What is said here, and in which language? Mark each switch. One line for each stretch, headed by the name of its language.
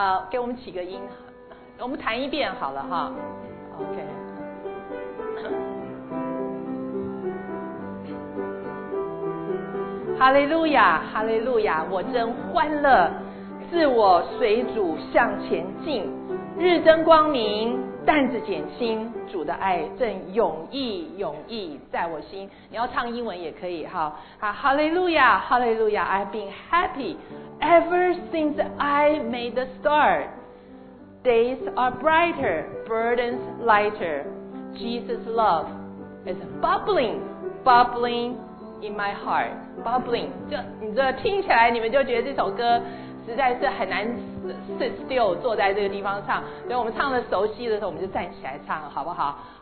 Chinese: 给我们起个音，我们弹一遍好了哈。OK，哈利路亚，哈利路亚，我真欢乐，自我随主向前进，日增光明，担子减轻，主的爱正涌溢涌溢在我心。你要唱英文也可以哈。
English: 哈利路亚，哈利路亚， I've been happy ever since I made the start. Days are brighter, burdens lighter. Jesus' love is bubbling, bubbling in my heart.
Chinese: Bubbling， 就你这听起来，你们就觉得这首歌实在是很难
English: sit still
Chinese: 坐在这个地方唱。所以我们唱的熟悉的时候，我们就站起来唱，好不好？